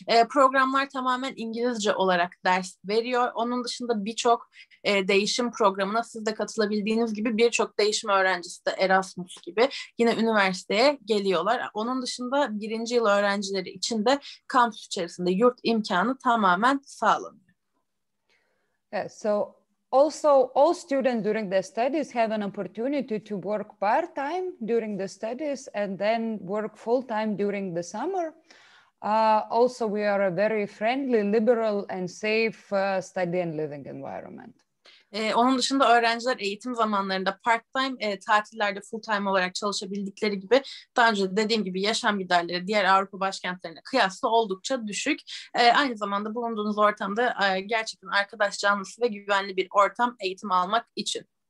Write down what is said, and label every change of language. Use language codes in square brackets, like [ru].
[tr] Programlar tamamen İngilizce olarak ders veriyor. Onun dışında birçok değişim programına siz de katılabildiğiniz gibi birçok değişim öğrencisi de Erasmus gibi yine üniversiteye geliyorlar. Onun dışında birinci yıl öğrencileri içinde kampüs içerisinde yurt imkanı tamamen sağlanıyor. [en] Yeah, so also all students during their studies have an opportunity to work part-time during the studies and then work full-time during the summer. Also we are a very friendly, liberal and safe study and living environment. [tr] Onun dışında öğrenciler eğitim zamanlarında part-time, tatillerde full-time olarak çalışabildikleri gibi daha önce dediğim gibi yaşam giderleri diğer Avrupa başkentlerine kıyasla oldukça düşük. Aynı zamanda bulunduğunuz ortamda gerçekten arkadaş canlısı ve güvenli bir ortam eğitim almak için.